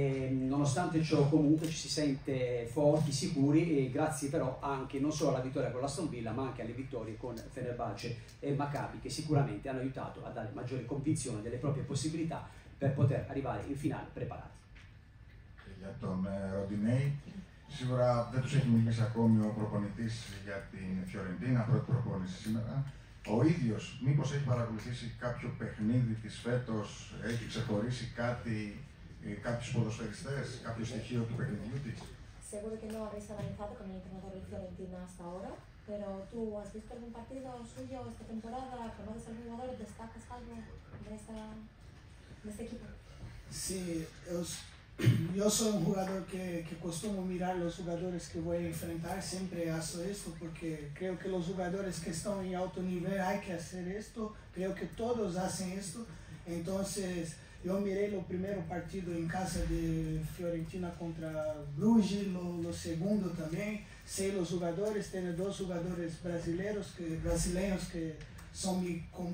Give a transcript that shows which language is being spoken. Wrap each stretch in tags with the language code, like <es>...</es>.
<it>Nonostante ciò comunque ci si sente forti, sicuri, e grazie però anche non solo alla vittoria con l'Aston Villa ma anche alle vittorie con Fenerbahce e Maccabi che sicuramente hanno aiutato a dare maggiore convinzione delle proprie possibilità per poter arrivare in finale preparati.</it> <el>Για τον Ροντινέι, σίγουρα δεν τους έχει μιλήσει ακόμη ο προπονητής για την Φιωρεντίνα, πρώτη προπόνηση σήμερα. Ο ίδιος μήπως έχει παρακολουθήσει κάποιο παιχνίδι της φέτος, έχει ξεχωρίσει κάτι, κάποιους ποδοσφαιριστές, κάποιο στοιχείο του παιχνιδιού της.</el> <es>Seguro que no habéis analizado con el entrenador Fiorentina hasta ahora, pero tú has visto algún partido suyo esta temporada, conoces algún jugador, destacas algo de esta... Sí, yo soy un jugador que costumo mirar los jugadores que voy a enfrentar, siempre hago esto porque creo que los jugadores que están en alto nivel hay que hacer esto, creo que todos hacen esto, entonces yo miré el primer partido en casa de Fiorentina contra Bruges, lo segundo también, sé los jugadores, tengo dos jugadores brasileños que son mi</es>